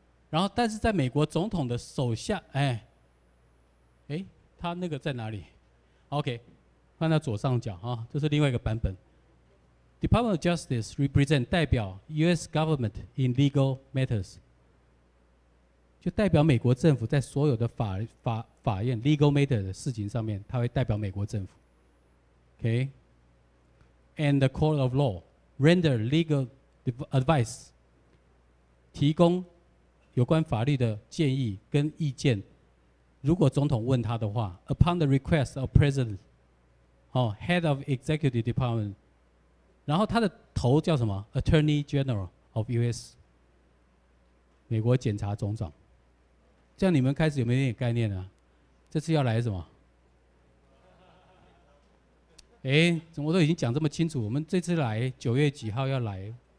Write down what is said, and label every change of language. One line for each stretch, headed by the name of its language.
Chinese: 然后但是在美国总统的手下，哎，他那个在哪里 ？OK， 放在左上角啊，这是另外一个版本。
English: Department of Justice represent 代表 U.S. government in legal matters，
Chinese: 就代表美国政府在所有的法院 legal matter 的事情上面，它会代表美国政府。
English: OK， and the court of law render legal advice，
Chinese: 提供有关法律的建议跟意见。如果总统问他的话 ，
English: upon the request of president，
Chinese: 哦 ，
English: head of executive department。
Chinese: 然后他的头叫什么 ？Attorney General of U.S. 美国检察总长。这样你们开始有没有点概念呢，啊？这次要来什么？哎，怎么都已经讲这么清楚？我们这次来九月几号要来？